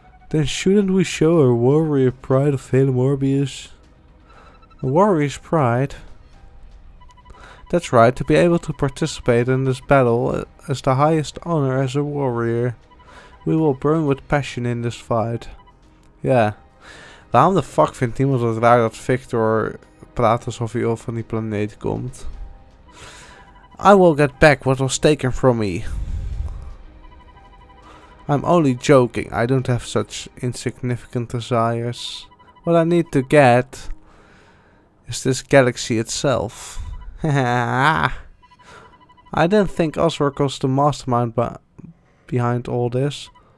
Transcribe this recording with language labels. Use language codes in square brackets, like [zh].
[en] Then shouldn't we show our warrior pride of Falam Orbius? A warrior's pride? That's right, to be able to participate in this battle is the highest honor as a warrior. We will burn with passion in this fight. Yeah. [nl] Waarom de fuck vindt iemand het raar dat Victor praat alsof hij van die planeet komt? [en] I will get back what was taken from me. I'm only joking, I don't have such insignificant desires. What I need to get is this galaxy itself. I didn't think Oswork was the mastermind behind all this.